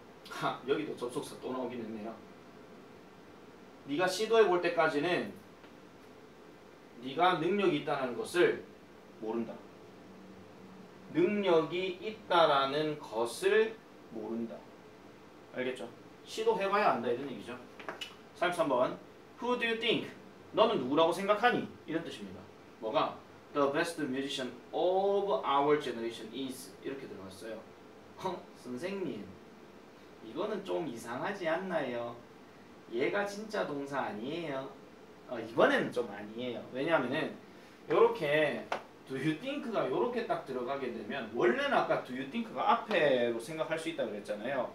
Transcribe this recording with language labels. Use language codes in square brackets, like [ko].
[ko] 하, 여기도 접속사 또 나오긴 했네요. 네가 시도해 볼 때까지는 네가 능력이 있다는 것을 모른다. 능력이 있다라는 것을 모른다. 알겠죠? 시도해봐야 안다 이런 얘기죠. [en] 33번 Who do you think? [ko] 너는 누구라고 생각하니? 이런 뜻입니다. 뭐가? [en] The best musician of our generation is [ko] 이렇게 들어갔어요. 선생님 이거는 좀 이상하지 않나요? 얘가 진짜 동사 아니에요. 이번에는 좀 아니에요. 왜냐하면은 이렇게 [en] Do you think [ko] 가 이렇게 딱 들어가게 되면 원래는 아까 Do you think가 앞에로 생각할 수 있다고 그랬잖아요.